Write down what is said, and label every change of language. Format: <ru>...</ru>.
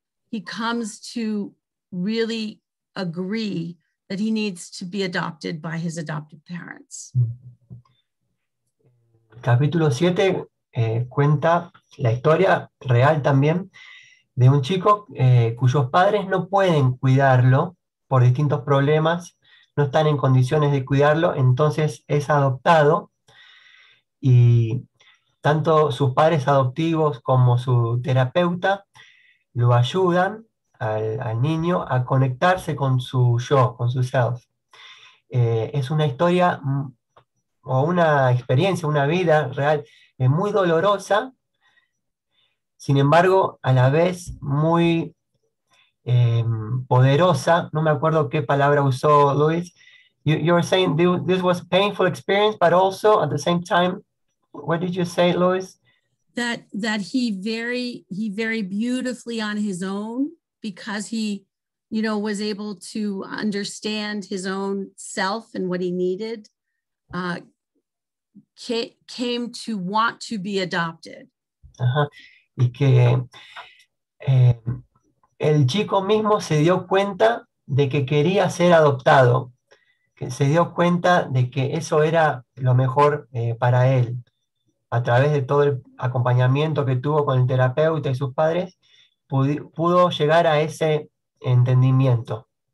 <en>He comes to really agree that he needs to be adopted by his adoptive parents.</en> <es>Capítulo 7 cuenta la historia real también de un chico cuyos padres no pueden cuidarlo por distintos problemas, no están en condiciones de cuidarlo, entonces es adoptado y tanto sus padres adoptivos como su terapeuta lo ayudan al niño a conectarse con su yo, con su self. Es una historia o una experiencia, una vida real muy dolorosa, sin embargo, a la vez muy poderosa. No me acuerdo qué palabra usó Luis.</es> <en>You were saying this was a painful experience, but also at the same time, what did you say, Luis? That he very beautifully on his own, because he, you know, was able to understand his own self and what he needed, came to want to be adopted. Uh-huh.</en> <es>Y que el chico mismo se dio cuenta de que quería ser adoptado, que se dio cuenta de que eso era lo mejor para él, a través de todo el acompañamiento que tuvo con el terapeuta y sus padres, pudo llegar a ese entendimiento.</es>